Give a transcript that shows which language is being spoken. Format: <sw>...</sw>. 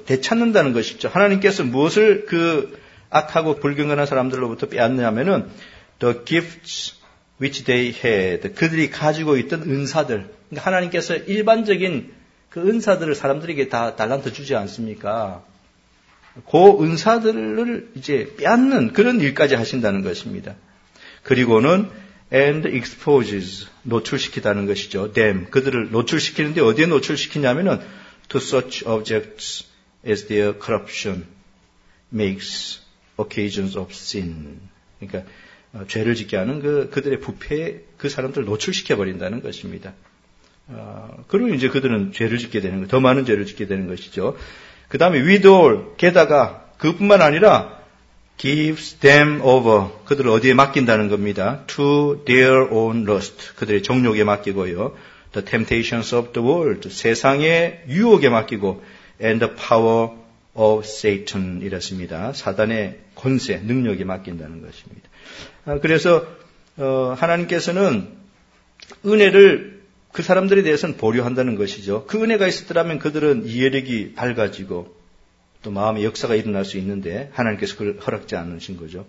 <ko>되찾는다는 것이죠. 하나님께서 무엇을 그 악하고 불경건한 사람들로부터 빼앗느냐면은</ko> <en>the gifts which they had</en> <ko>그들이 가지고 있던 은사들. 그러니까 하나님께서 일반적인 그 은사들을 사람들에게 다 달란트 주지 않습니까? 그 은사들을 이제 빼앗는 그런 일까지 하신다는 것입니다. 그리고는</ko> <en>and exposes</en> <ko>노출시키다는 것이죠.</ko> <en>them</en> <ko>그들을 노출시키는데 어디에 노출시키냐면은</ko> <en>to such objects as their corruption makes occasions of sin.</en> <ko>그러니까 죄를 짓게 하는 그들의 부패 그 사람들을 노출시켜 버린다는 것입니다. 그러면 이제 그들은 죄를 짓게 되는 거, 더 많은 죄를 짓게 되는 것이죠. 그 다음에</ko> <en>with all</en> <ko>게다가 그뿐만 아니라</ko> <en>gives them over</en> <ko>그들을 어디에 맡긴다는 겁니다.</ko> <en>To their own lust</en> <ko>그들의 정욕에 맡기고요.</ko> <en>The temptations of the world</en> <ko>세상의 유혹에 맡기고</ko> <en>and the power of Satan</en> <ko>이랬습니다. 사단의 권세, 능력에 맡긴다는 것입니다. 그래서 하나님께서는 은혜를 그 사람들에 대해서는 보류한다는 것이죠. 그 은혜가 있었더라면 그들은 이해력이 밝아지고 또 마음의 역사가 일어날 수 있는데 하나님께서 그걸 허락지 않으신 거죠.</ko>